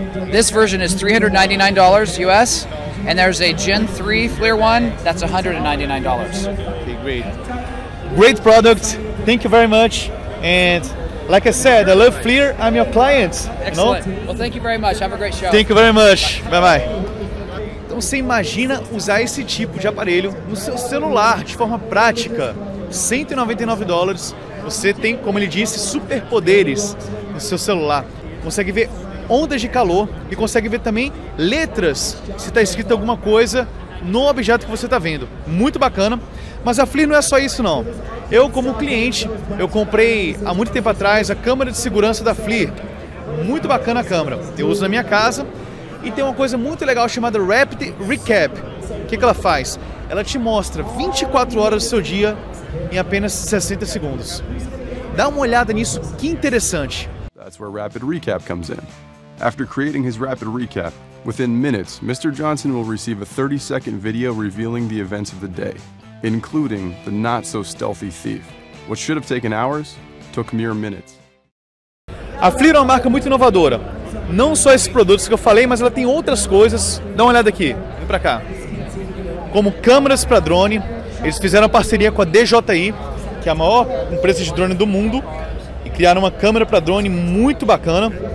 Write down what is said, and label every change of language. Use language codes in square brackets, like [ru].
[en] This version is $399 US, and there's a Gen 3 FLIR One that's $199. Okay, great. Great product. Thank you very much. And like I said, I love FLIR. I'm your client. Excellent. No? Well, thank you very much. Have a great show. Thank you very much. Bye-bye. [pt] Você imagina usar esse tipo de aparelho no seu celular de forma prática? $199, você tem, como ele disse, superpoderes no seu celular. Consegue ver ondas de calor e consegue ver também letras, se está escrito alguma coisa no objeto que você está vendo. Muito bacana. Mas a FLIR não é só isso não. Eu, como cliente, eu comprei há muito tempo atrás a câmera de segurança da FLIR. Muito bacana a câmera. Eu uso na minha casa. E tem uma coisa muito legal chamada Rapid Recap. O que ela faz? Ela te mostra 24 horas do seu dia em apenas 60 segundos. Dá uma olhada nisso, que interessante. [en] That's where Rapid Recap comes in. After creating his Rapid Recap, within minutes, Mr. Johnson will receive a 30-second video revealing the events of the day, including the not-so-stealthy thief. What should have taken hours, took mere minutes. [pt] A FLIR é uma marca muito inovadora. Não só esses produtos que eu falei, mas ela tem outras coisas. Dá uma olhada aqui, vem pra cá. Como câmeras para drone, eles fizeram uma parceria com a DJI, que é a maior empresa de drone do mundo, e criaram uma câmera para drone muito bacana.